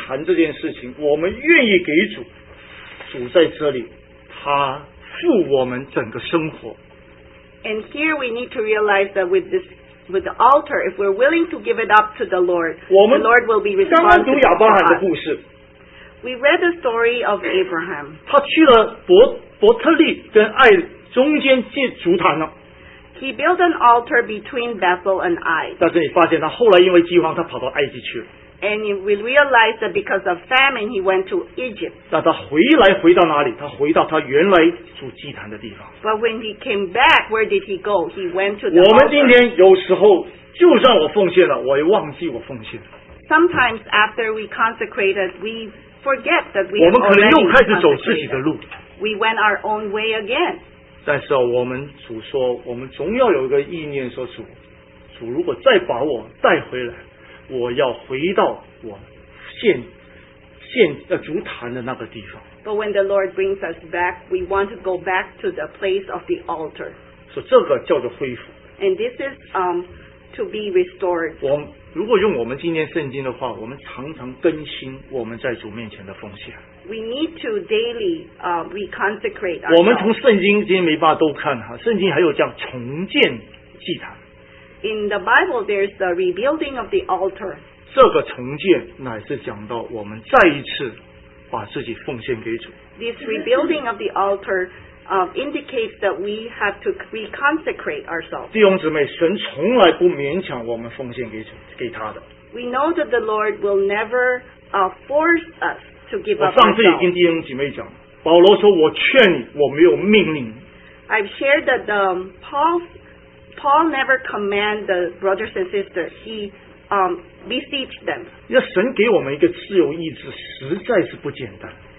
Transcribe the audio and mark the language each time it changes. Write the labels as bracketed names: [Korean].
[Chinese] 所以我们今天现在要看到哈，这个祭坛这件事情，我们愿意给主。主在这里，他付我们整个生活。And [English] here we need to realize that with the altar, if we're willing to give it up to the Lord, the Lord will be responsible. [Chinese] 我们刚刚读亚伯罕的故事。We [English] read the story of Abraham. [Chinese] 他去了伯特利跟爱中间建筑坛了。He [English] built an altar between Bethel and Ai. [Chinese] 但是你发现他后来因为饥荒，他跑到埃及去了。 [English] And we realize that because of famine, he went to Egypt. [Chinese] 那他回到哪里? 他回到他原来主祭坛的地方。 [English] But when he came back, where did he go? He went to the [Chinese] 我们今天有时候, 就算我奉献了, 我也忘记我奉献了。 [English] Sometimes after we consecrated, we forget that we have already consecrated. We went our own way again. [Chinese] 但是我们主说, 我们总要有一个意念说, 主, 主如果再把我带回来, 我要回到我献主坛的那个地方。 [English] But when the Lord brings us back, we want to go back to the place of the altar. [Chinese] 所以这个叫做恢复。 [English] And this is to be restored. [Chinese] 如果用我们今天圣经的话, 我们常常更新我们在主面前的奉献。 [English] We need to daily reconsecrate ourselves. [Chinese] 我们从圣经今天没办法都看哈, 圣经还有叫重建祭坛。 [English] In the Bible, there's the rebuilding of the altar. [Chinese] 这个重建乃是讲到我们再一次把自己奉献给主。 [English] This rebuilding of the altar indicates that we have to reconsecrate ourselves. [Chinese] 弟兄姊妹, 神从来不勉强我们奉献给他的。 [English] We know that the Lord will never force us to give up ourselves. [Chinese] 我上次也跟弟兄姐妹讲, 保罗说我劝你, 我没有命令。 [English] I've shared that Paul never commanded the brothers and sisters. He beseeched them. [Chinese] 因为神给我们一个自由意志, 实在是不简单。